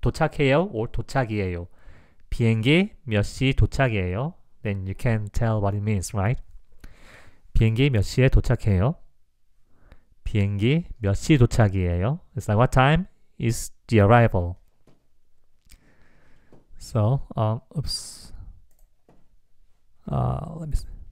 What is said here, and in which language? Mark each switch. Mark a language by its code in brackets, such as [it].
[ko] 도착해요 or 도착이에요. 비행기 몇 시 도착이에요? [en] Then you can tell what it means, right? [ko] 비행기 몇 시에 도착해요? 비행기 몇 시 도착이에요? [en] It's like what time is the arrival? So, oops. Let me see.